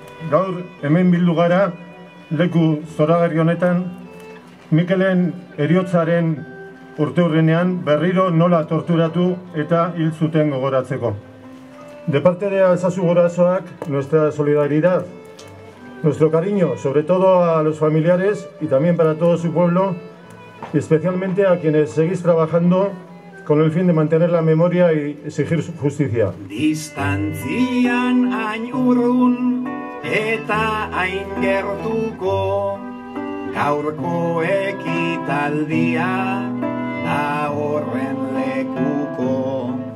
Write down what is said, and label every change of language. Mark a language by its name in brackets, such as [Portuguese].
[Basque] Gaur hemen bildu gara leku zoragarri honetan, Mikelen heriotzaren urteurrenean berriro nola torturatu eta hil zuten gogoratzeko. [Spanish] De parte de Alsasu gorazoak, nuestra solidaridad, nuestro cariño, sobre todo a los familiares y también para todo su pueblo, y especialmente a quienes seguís trabajando con el fin de mantener la memoria y exigir justicia. [Basque] Distantzian hain urrun eta hain gertuko, gaurko ekitaldia da horren lekuko.